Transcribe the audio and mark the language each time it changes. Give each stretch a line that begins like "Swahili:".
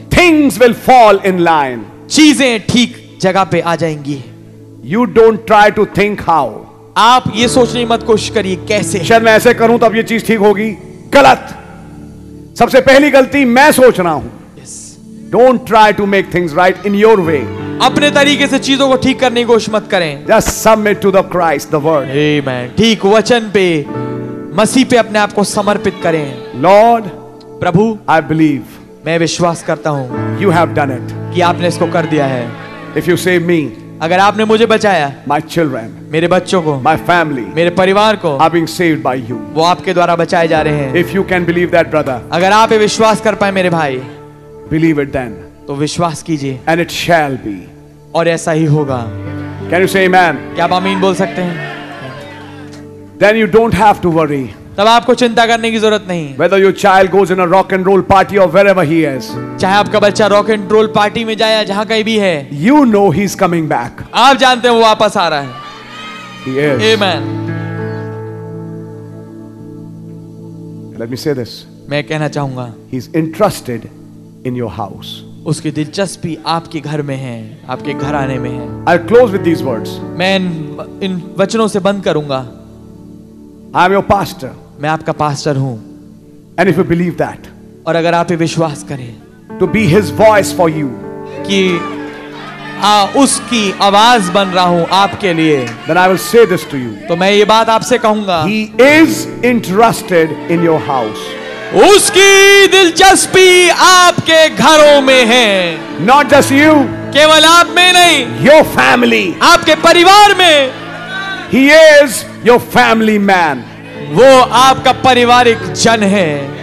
English: Things will fall in line.
Hindi: चीजें ठीक जगह पे आ जाएंगी.
English: You don't try to think how.
Hindi: आप ये सोचने मत कोशिश करिए कैसे. शायद मैं ऐसे करूं तब ये चीज ठीक होगी. गलत. सबसे पहली गलती मैं सोच रहा हूं.
English: Yes. Don't try to make things right in your way.
Hindi: अपने तरीके से चीजों को ठीक करने की कोशिश मत करें.
English: Just submit to the Christ, the Word. Amen.
Hindi: ठीक वचन पे, मसीह पे अपने आप को समर्पित करें.
English: Lord,
Hindi: Prabhu,
English: I believe.
Hindi: मैं विश्वास करता हूं.
English: You have done it.
Hindi: कि आपने इसको कर दिया है.
English: If you save me.
Hindi: अगर आपने मुझे बचाया.
English: My children,
Hindi: मेरे बच्चों को.
English: My family,
Hindi: मेरे परिवार को.
English: Are being saved by you,
Hindi: वो आपके द्वारा बचाए जा रहे हैं.
English: If you can believe that, brother,
Hindi: अगर आप ये विश्वास कर पाए मेरे भाई.
English: Believe it then,
Hindi: तो विश्वास कीजिए.
English: And it shall be,
Hindi: और ऐसा ही होगा.
English: Can you say amen?
Hindi: क्या आप आमीन बोल सकते हैं?
English: Then you don't have to worry.
Hindi: तब आपको चिंता करने की जरूरत नहीं.
English: Whether your child goes in a rock and roll party or wherever he is.
Hindi: चाहे आपका बच्चा रॉक एंड रोल पार्टी में जाए या जहां कहीं भी है.
English: You know he is coming back.
Hindi: आप जानते हैं वो वापस आ रहा है.
English: Yes. Amen. Let me say this.
Hindi: मैं कहना चाहूंगा.
English: He is interested in your house.
Hindi: उसकी दिलचस्पी आपके घर में है, आपके घर आने में है.
English: I'll close with these words.
Hindi: मैं इन वचनों से बंद करूंगा.
English: I am your pastor.
Hindi: मैं आपका पास्टर हूं.
English: And if you believe that,
Hindi: और अगर आप ये विश्वास करें,
English: to be his voice for you,
Hindi: कि हाँ उसकी आवाज बन रहा हूं आपके लिए,
English: then I will say this to you,
Hindi: तो मैं ये बात आपसे कहूंगा.
English: He is interested in your house.
Hindi: उसकी दिलचस्पी आपके घरों में है.
English: Not just you.
Hindi: केवल आप में नहीं.
English: Your family.
Hindi: आपके परिवार में.
English: He is your family man.
Hindi: वो आपका पारिवारिक जन है.